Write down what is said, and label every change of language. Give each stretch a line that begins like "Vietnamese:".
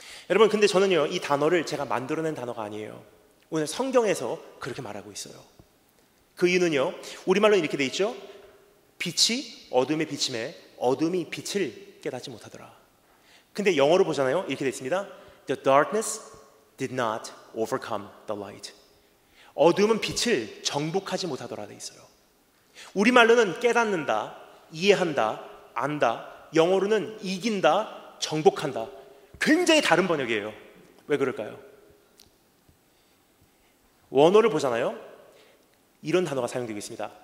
Korean: 여러분 근데 저는요 이 단어를 제가 만들어낸 단어가 아니에요. 오늘 성경에서 그렇게 말하고 있어요. 그 이유는요 우리말로 이렇게 돼 있죠. 빛이 어둠에 비침에 어둠이 빛을 깨닫지 못하더라. 근데 영어로 보잖아요 이렇게 돼 있습니다.
English: The darkness did not overcome the light.
Korean: 어둠은 빛을 정복하지 못하더라 돼 있어요. 우리말로는 깨닫는다, 이해한다, 안다. 영어로는 이긴다, 정복한다. 굉장히 다른 번역이에요. 왜 그럴까요? 원어를 보잖아요. 이런 단어가 사용되고 있습니다.